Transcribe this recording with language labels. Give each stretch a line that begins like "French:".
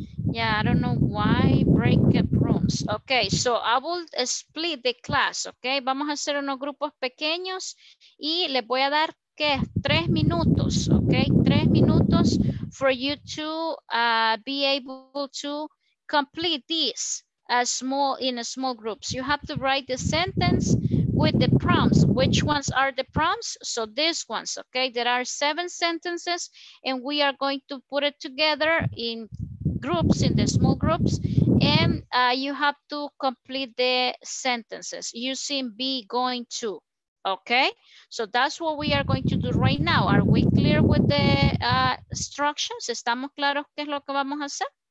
English: Yeah, I don't know why breakout rooms. Okay, so I will split the class, okay?
Spanish: Vamos a hacer unos grupos pequeños y les voy a dar, ¿qué? 3 minutos, okay? 3 minutos
English: for you to be able to complete this in small groups. You have to write the sentence with the prompts. Which ones are the prompts? So these ones, okay? There are 7 sentences and we are going to put it together in groups, in the small groups, and you have to complete the sentences using be going to, okay? So that's what we are going to do right now. Are we clear with the instructions?
Spanish: ¿Estamos claros qué es lo que vamos a hacer?